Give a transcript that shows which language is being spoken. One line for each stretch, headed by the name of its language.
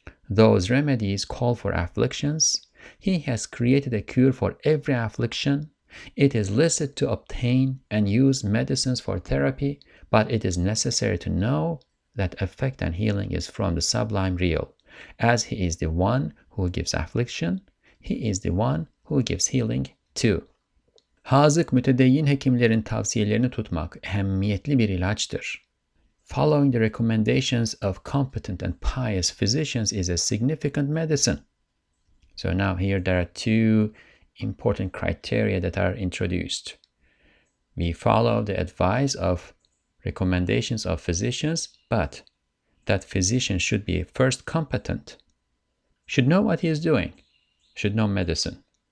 English: Those remedies call for afflictions. He has created a cure for every affliction. It is licit to obtain and use medicines for therapy, but it is necessary to know that effect and healing is from the sublime real. As he is the one who gives affliction, he is the one who gives healing too.
Turkish: Hazık mütedeyyin hekimlerin tavsiyelerini tutmak ehemmiyetli bir ilaçtır.
English: Following the recommendations of competent and pious physicians is a significant medicine. So now here there are two important criteria that are introduced. We follow the advice of recommendations of physicians, but that physician should be first competent, should know what he is doing, should know medicine.